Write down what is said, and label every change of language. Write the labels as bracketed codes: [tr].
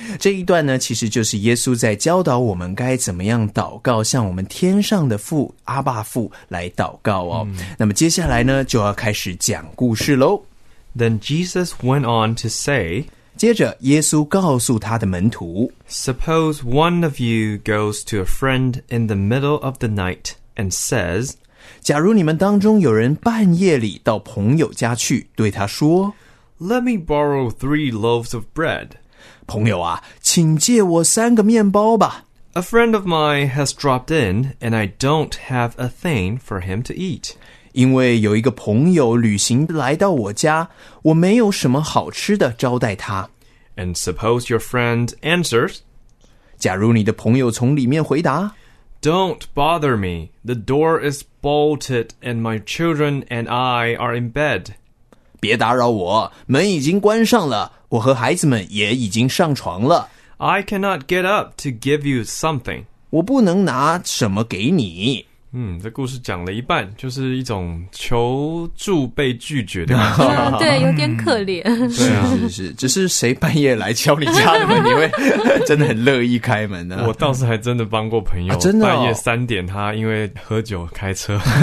[zh] 这一段呢其实就是耶稣在教导我们该怎么样祷告向我们天上的父阿爸父来祷告哦、嗯、那么接下来呢就要开始讲故事咯 [en] Then Jesus went on to say [zh] 接着耶稣告诉他的门徒 [en] Suppose one of you goes to a friend in the middle of the night and says [zh] 假如你们当中有人半夜里到朋友家去对他说 [en] Let me borrow 3 loaves of bread [zh] 朋友啊请借我三个面包吧 [en] A friend of mine has dropped in and I don't have a thing for him to eat [zh] 因为有一个朋友旅行来到我家我没有什么好吃的招待他。 [en] And suppose your friend answers, [zh] 假如你的朋友从里面回答, [en] Don't bother me, the door is bolted and my children and I are in bed. [zh] 别打扰我,门已经关上了,我和孩子们也已经上床了。 [en] I cannot get up to give you something. [zh] 我不能拿什么给你。嗯，这故事讲了一半，就是一种求助被拒绝的感觉，对，有点可怜。是是是，只是谁半夜来敲你家的门，你会真的很乐意开门呢、啊？我倒是还真的帮过朋友，啊、真的、哦、半夜3点，他因为喝酒开车，